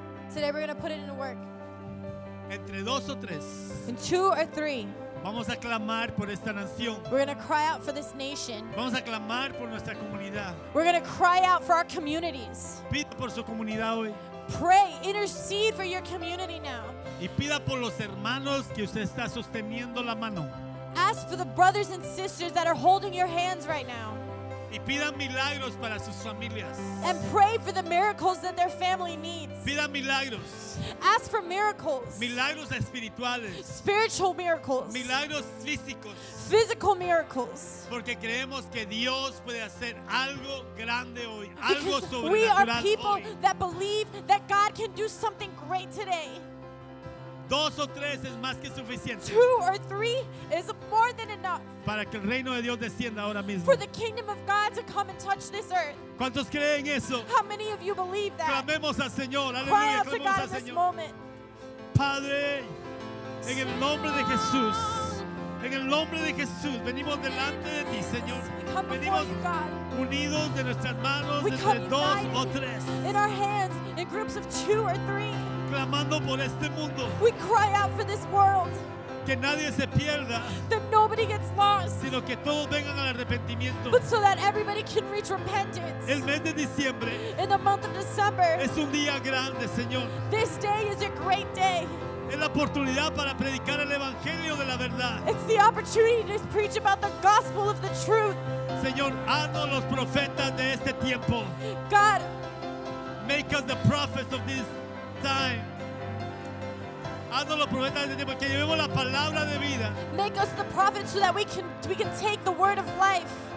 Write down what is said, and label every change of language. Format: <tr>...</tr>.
<en>Today we're going to put it into work.</en> <es>Entre dos o tres.</es> <en>In two or three.</en> <es>Vamos a clamar por esta nación.</es> <en>We're going to cry out for this nation.</en> <es>Vamos a clamar por nuestra comunidad.</es> <en>We're going to cry out for our communities.</en> <es>Pido por su comunidad hoy.</es> <en>Pray, intercede for your community now.</en> <es>Y pida por los hermanos que usted está sosteniendo la mano.</es> <en>Ask for the brothers and sisters that are holding your hands right now.</en> <es>Y pida milagros para sus familias.</es> <en>And pray for the miracles that their family needs.</en> <es>Pida milagros.</es> <en>Ask for miracles.</en> <es>Milagros espirituales.</es> <en>Spiritual miracles.</en> <es>Milagros físicos.</es> <en>Physical miracles.</en> <es>Porque creemos que Dios puede hacer algo grande hoy, algo sobrenatural.</es> <en>We are people that believe that God can do something great today.</en> <es>Dos o tres es más que suficiente.</es> <en>Two or three is more than enough.</en> <es>Para que el reino de Dios descienda ahora mismo.</es> <en>For the kingdom of God to come and touch this earth.</en> <es>¿Cuántos creen eso?</es> <en>How many of you believe that?</en> <es>Clamemos al Señor. Aleluya.</es> <en>Cry out to God in this moment.</en> <es>Padre, en el nombre de Jesús. En el nombre de Jesús, venimos delante de ti, Señor. Venimos unidos de nuestras manos, entre dos o tres.</es> <en>In our hands, in groups of two or three.</en> <es>Clamando por este mundo.</es> <en>We cry out for this world.</en> <es>Que nadie se pierda.</es> <en>That nobody gets lost.</en> <es>Sino que todos vengan al arrepentimiento.</es> <en>But so that everybody can reach repentance.</en> <es>El mes de diciembre.</es> <en>In the month of December.</en> <es>Es un día grande, Señor.</es> <en>This day is a great day.</en> <es>Es la oportunidad para predicar el evangelio de la verdad.</es> <en>It's the opportunity to preach about the gospel of the truth.</en> <es>Señor, haznos los profetas de este tiempo.</es> <en>God, make us the prophets of this time.</en> <es>Haznos los profetas de este tiempo, que llevemos la palabra de vida.</es> <en>Make us the prophets so that we can take the word of life.</en>